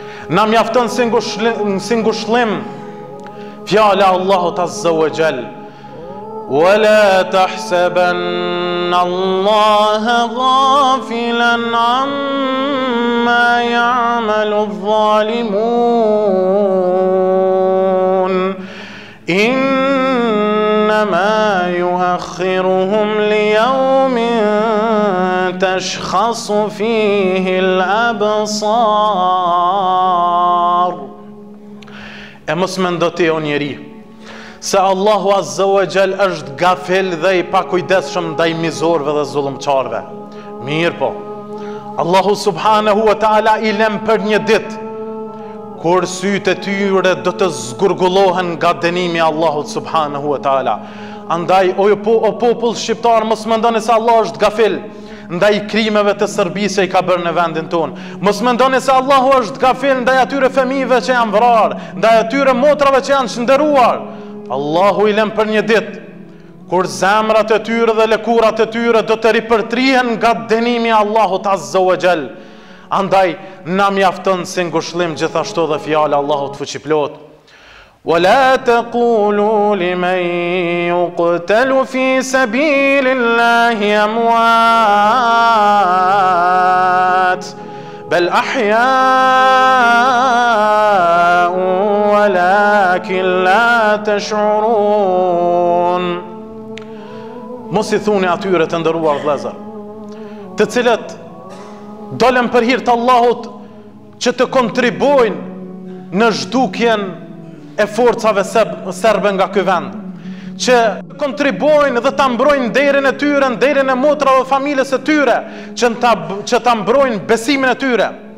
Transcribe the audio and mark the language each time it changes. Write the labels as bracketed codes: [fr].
[sq] Na mjafton si ngushllim fjala Allahut [ar] azza wa jall, ولا تحسبن الله غافلا عما يعمل الظالمون إنما يؤخرهم ليوم تشخص فيه الأبصار. [sq] E musmen do të o njeri, se Allahu Azza wa Jall është gafil dhe i pakujdesshëm ndaj mizorëve dhe zullumqarëve. Mirë po, Allahu Subhanahu wa Ta'ala i lem për një ditë, kur sytë e tyre do të zgurgullohen nga dënimi Allahu Subhanahu wa Ta'ala. Andaj, o popull shqiptar, mos mendoni se Allah është gafil ndaj krimeve të Serbisë që i ka bërë në vendin tonë. Mos mendoni se Allahu është gafil ndaj atyre fëmijëve që janë vrarë, ndaj atyre motrave që janë shënderuar. Allahu i lem për një ditë, kur zemrat e tyre dhe lëkurat e tyre do të ripërtrihen nga dënimi Allahut Azza wa Jall. Andaj, na mjafton si ngushëllim gjithashtu dhe fjala Allahut fuqiplot. [ar] ولا تقولوا لمن يقتل في سبيل الله أموات بل أحياء ولكن لا تشعرون. [sq] Mos i thuni atyre të ndëruar vëllezër, të cilët dolën për hir të Allahut që të kontribuojnë në zhdukjen e forcave serbe nga ky vend, që kontribuojnë dhe ta mbrojnë derën e tyre, derën e motrave dhe familjes së tyre, që ta mbrojnë besimin e tyre.